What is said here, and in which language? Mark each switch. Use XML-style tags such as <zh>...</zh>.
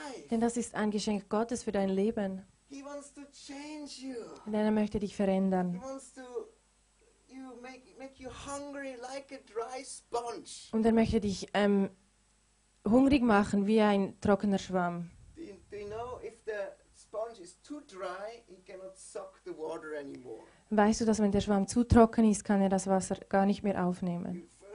<de>Denn das ist ein Geschenk Gottes für dein Leben.</de> <en>He wants to change you.</en> <de>Denn er möchte dich verändern.</de> <en>He wants to you make you hungry like a dry sponge.</en> <de>Und er möchte dich hungrig machen wie ein trockener Schwamm.</de> <en>Do you know, if the sponge is too dry, he cannot suck the water anymore.</en> <de>Weißt du, dass wenn der Schwamm zu trocken ist, kann er das Wasser gar nicht mehr aufnehmen?</de>